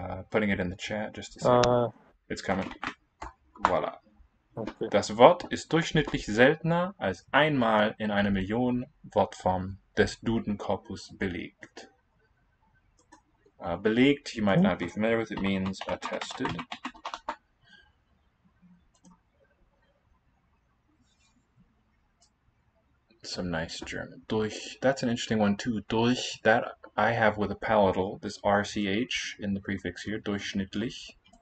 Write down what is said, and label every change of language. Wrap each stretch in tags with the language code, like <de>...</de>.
<en>Putting it in the chat just a second. It's coming. Voila. Okay.</en> <de>Das Wort ist durchschnittlich seltener als einmal in einer Million Wortformen des Dudenkorpus belegt.</de> <en>Belegt, you might not be familiar with, it means attested. Some nice German. Durch, that's an interesting one too. Durch, that I have with a palatal, this RCH in the prefix here, durchschnittlich.</en>